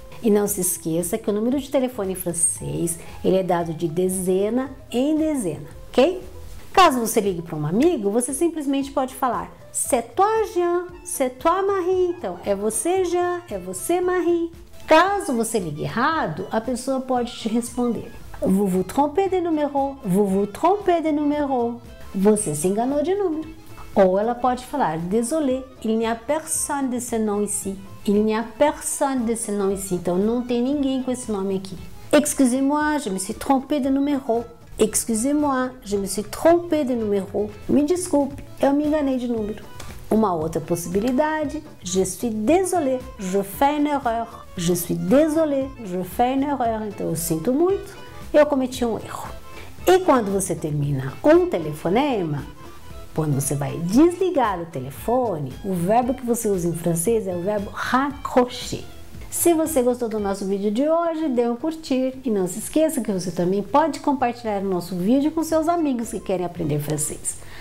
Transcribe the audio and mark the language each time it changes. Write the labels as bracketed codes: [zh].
[pt] E não se esqueça que o número de telefone francês, ele é dado de dezena em dezena, ok? Caso você ligue para um amigo, você simplesmente pode falar: [fr] C'est toi Jean, c'est toi Marie. [pt] Então, é você Jean, é você Marie. Caso você ligue errado, a pessoa pode te responder: [fr] Vous vous trompez de numéro, vous vous trompez de numéro. [pt] Você se enganou de número. Ou ela pode falar: [fr] Désolé, il n'y a personne de ce nom ici. Il n'y a personne de ce nom ici. [pt] Então, não tem ninguém com esse nome aqui. [fr] Excusez-moi, je me suis trompé de numéro. Excusez-moi, je me suis trompé de numéro. [pt] Me desculpe, eu me enganei de número. Uma outra possibilidade: [fr] Je suis désolé, je fais une erreur. Je suis désolé, je fais une erreur. [pt] Então, eu sinto muito, eu cometi um erro. E quando você termina um telefonema, quando você vai desligar o telefone, o verbo que você usa em francês é o verbo raccrocher. Se você gostou do nosso vídeo de hoje, dê um curtir. E não se esqueça que você também pode compartilhar o nosso vídeo com seus amigos que querem aprender francês.